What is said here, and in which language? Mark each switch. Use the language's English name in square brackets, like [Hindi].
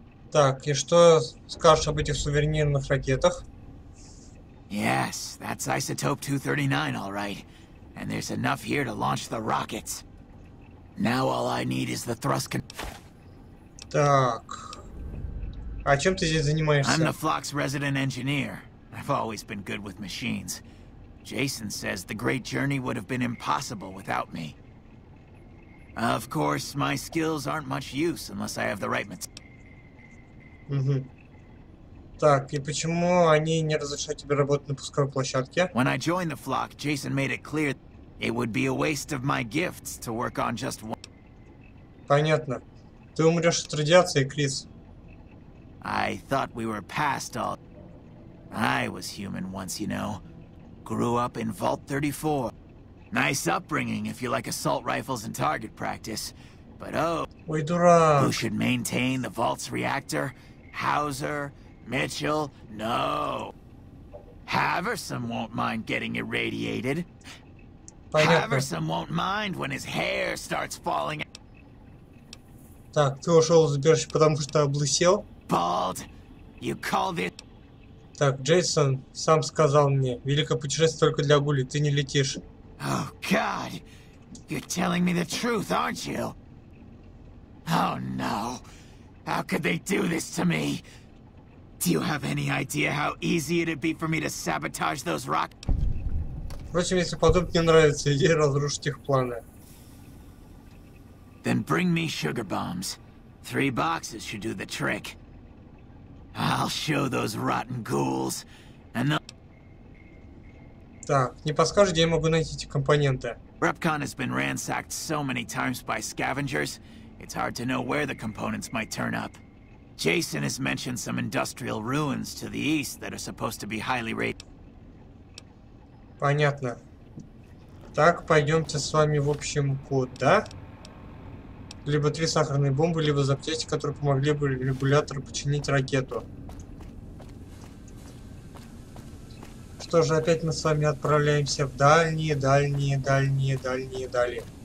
[Russian] Так, и что скажешь об этих сувенирных ракетах? [English] Yes, that's isotope 239, all right. And there's enough here to launch the rockets. Now all I need is the thrust [Russian] Так. А чем ты здесь занимаешься? [English] I'm the Flock's resident engineer. I've always been good with machines. Jason says the great journey would have been impossible without me. Of course, my skills aren't much use unless I have the right materials. [Russian] Угу. Так, и почему они не разрешают тебе работать на пусковой площадке? [English] When I joined the Flock, Jason made it clear it would be a waste of my gifts to work on just one. [Russian] Понятно. Ты умрешь от радиации, Крис. [English] I thought we were past all. I was human once, you know. Grew up in Vault 34. Nice upbringing if you like assault rifles and target practice. But oh, [Russian] ой, дурак. [English] Who should maintain the Vault's reactor? Hauser, Mitchell, no. Haversome won't mind getting irradiated. [Russian] Понятно. [English] Haversome won't mind when his hair starts falling. [Russian] Так, ты ушел из убежища, потому что облысел? [English] Bald. You called it. [Russian] Так, Джейсон сам сказал мне, великое путешествие только для гули, ты не летишь. [English] Oh God, you're telling me the truth, aren't you? Oh no. How could they do this to me? Do you have any idea how easy it'd be for me to sabotage those rockets? [Russian] Впрочем, если подумать, мне нравится идея разрушить их планы. [English] Then bring me sugar bombs. Three boxes should do the trick. I'll show those rotten ghouls, and they'll... [Russian] Так, не подскажешь, где я могу найти эти компоненты? [English] Repcon has been ransacked so many times by scavengers. It's hard to know where the components might turn up. Jason has mentioned some industrial ruins to the east that are supposed to be highly rated. [Russian] Понятно. Так, пойдемте с вами, в общем, куда? Либо три сахарные бомбы, либо запчасти, которые помогли бы регулятору починить ракету. Что же, опять мы с вами отправляемся в дальние дали.